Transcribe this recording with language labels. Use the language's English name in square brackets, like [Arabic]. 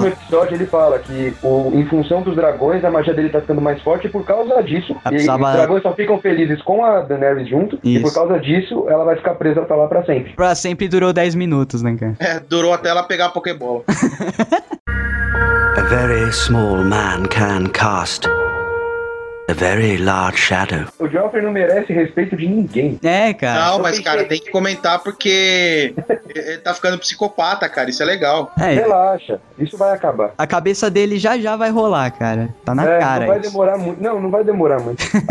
[Portuguese] No último episódio ele fala que em função dos dragões, a magia dele tá ficando mais forte por causa disso. Os dragões só ficam felizes com a Daenerys junto. Isso. E por causa disso, ela vai ficar presa pra lá pra sempre. Pra sempre durou 10 minutos, né, cara? É, durou até ela pegar a Pokébola. [English] A very small man can cast a very large shadow. [Portuguese] O Joffrey não merece respeito de ninguém. É, cara. Não, mas, cara, tem que comentar porque ele tá ficando psicopata, cara. Isso é legal. É. Relaxa. Isso vai acabar. A cabeça dele já vai rolar, cara. Tá na cara. Não vai demorar muito. Não, não vai demorar muito.